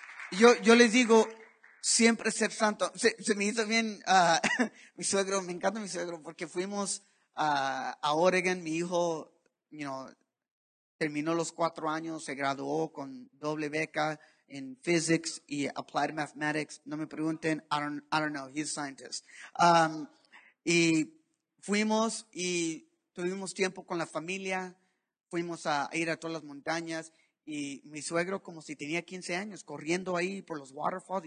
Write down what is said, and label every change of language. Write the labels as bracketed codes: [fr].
[es] Y yo les digo, siempre ser santo. Se me hizo bien mi suegro, me encanta mi suegro, porque fuimos a Oregon, mi hijo, [en] you know, [es] terminó los 4 años, se graduó con doble beca en physics y applied mathematics. No me pregunten, [en] I don't know, he's a scientist. [es] Y fuimos y tuvimos tiempo con la familia, fuimos a ir a todas las montañas. Y mi suegro, como si tenía 15 años, corriendo ahí por los waterfalls.